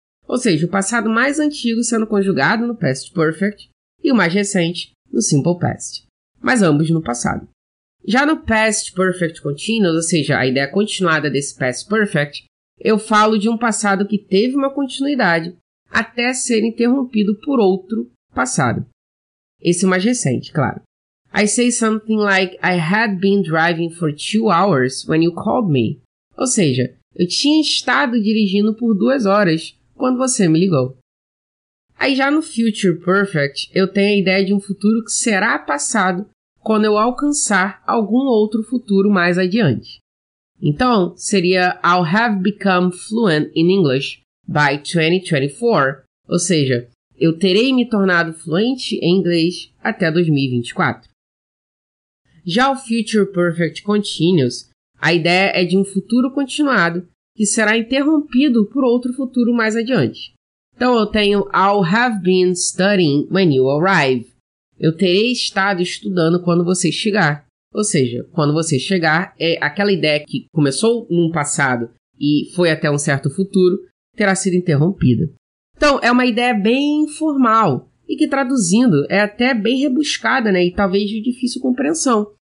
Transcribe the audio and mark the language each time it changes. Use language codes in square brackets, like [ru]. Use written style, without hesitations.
[pt] Ou seja, o passado mais antigo sendo conjugado no Past Perfect e o mais recente no Simple Past. Mas ambos no passado. Já no Past Perfect Continuous, ou seja, a ideia continuada desse Past Perfect, eu falo de um passado que teve uma continuidade até ser interrompido por outro passado. Esse mais recente, claro. [en] I say something like, I had been driving for 2 hours when you called me. [pt] Ou seja, eu tinha estado dirigindo por 2 horas quando você me ligou. Aí já no Future Perfect, eu tenho a ideia de um futuro que será passado quando eu alcançar algum outro futuro mais adiante. Então, seria [en] I'll have become fluent in English by 2024. [pt] Ou seja, eu terei me tornado fluente em inglês até 2024. Já o Future Perfect Continuous, a ideia é de um futuro continuado que será interrompido por outro futuro mais adiante. Então, eu tenho [en] I'll have been studying when you arrive. [pt] Eu terei estado estudando quando você chegar. Ou seja, quando você chegar, é aquela ideia que começou num passado e foi até um certo futuro, terá sido interrompida. Então, é uma ideia bem informal e que, traduzindo, é até bem rebuscada, né, e talvez de difícil compreensão.